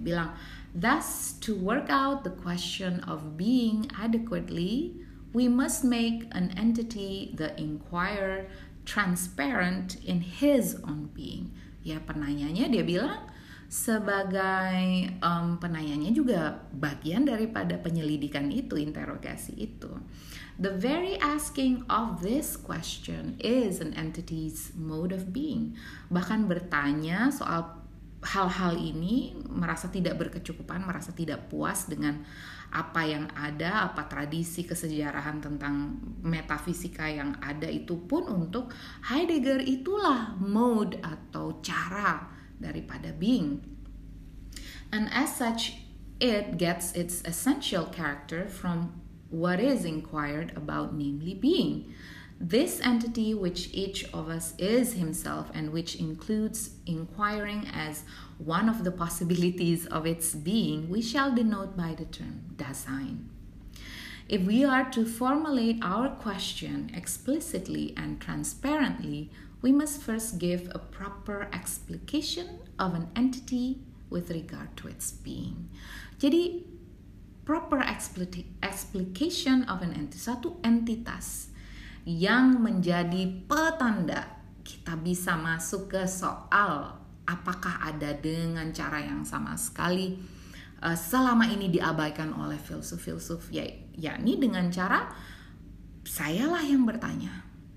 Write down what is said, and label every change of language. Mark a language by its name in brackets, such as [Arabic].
[Indonesian] bilang, [English] thus, to work out the question of being adequately, we must make an entity, the inquirer, transparent in his own being. [Indonesian] Ya, penanyanya dia bilang, sebagai penanyanya juga bagian daripada penyelidikan itu, interogasi itu. [English] The very asking of this question is an entity's mode of being. [Indonesian] Bahkan bertanya soal hal-hal ini, merasa tidak berkecukupan, merasa tidak puas dengan apa yang ada, apa tradisi kesejarahan tentang metafisika yang ada itu pun untuk Heidegger itulah mode atau cara daripada being. [English] And as such, it gets its essential character from what is inquired about, namely being. This entity which each of us is himself and which includes inquiring as one of the possibilities of its being, we shall denote by the term Dasein. If we are to formulate our question explicitly and transparently, we must first give a proper explication of an entity with regard to its being. [Indonesian] Jadi, [English] proper explication of an entity, [Indonesian] satu entitas yang menjadi petanda kita bisa masuk ke soal apakah ada dengan cara yang sama sekali selama ini diabaikan oleh filsuf-filsuf, yakni dengan cara sayalah yang bertanya.